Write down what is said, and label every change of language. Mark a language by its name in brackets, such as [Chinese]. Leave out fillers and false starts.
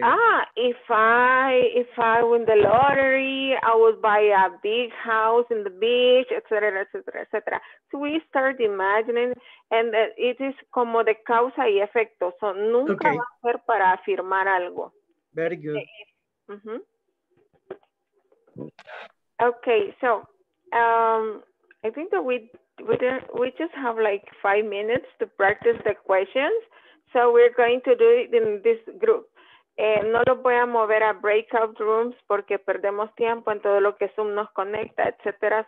[English] Ah, if I win the lottery, I would buy a big house in the beach, etc., etc., etc. So we start imagining, and it is [Spanish] como de causa y efecto. So nunca va a ser para afirmar algo. [English] Very good. Okay, so I think that we just have like 5 minutes to practice the questions. So we're going to do it in this group. [Spanish] No lo voy a mover a breakout rooms porque perdemos tiempo en todo lo que Zoom nos conecta, etcétera.